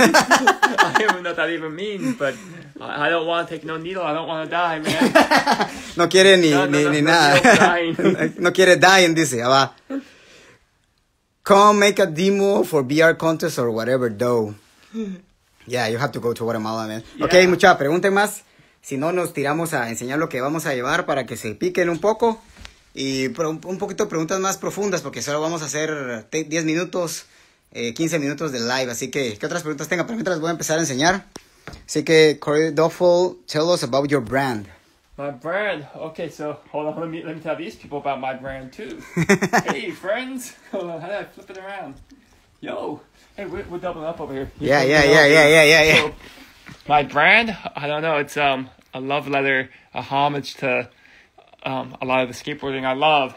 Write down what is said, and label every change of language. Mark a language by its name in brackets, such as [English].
[English] I don't know what that even means, but I don't want to take no needle. I don't want to die, man. [Spanish] No quiere ni nada. No quiere dying, dice. [English] Come make a demo for VR contest or whatever, though. Yeah, you have to go to Guatemala, man. [Spanish] Yeah. Okay, mucha, pregunten más. Si no, nos tiramos a enseñar lo que vamos a llevar para que se piquen un poco. Y un poquito preguntas más profundas, porque solo vamos a hacer 10 minutos, 15 minutos de live. Así que, ¿qué otras preguntas tenga? Pero mientras voy a empezar a enseñar. Así que, [English] Corey Duffel, tell us about your brand. My brand? Okay, so, hold on, let me tell these people about my brand, too. Hey, friends! Hold on, how did I flip it around? Yo! Hey, we're doubling up over here. Yeah. So, my brand? I don't know, it's a love letter, a homage to a lot of the skateboarding I love.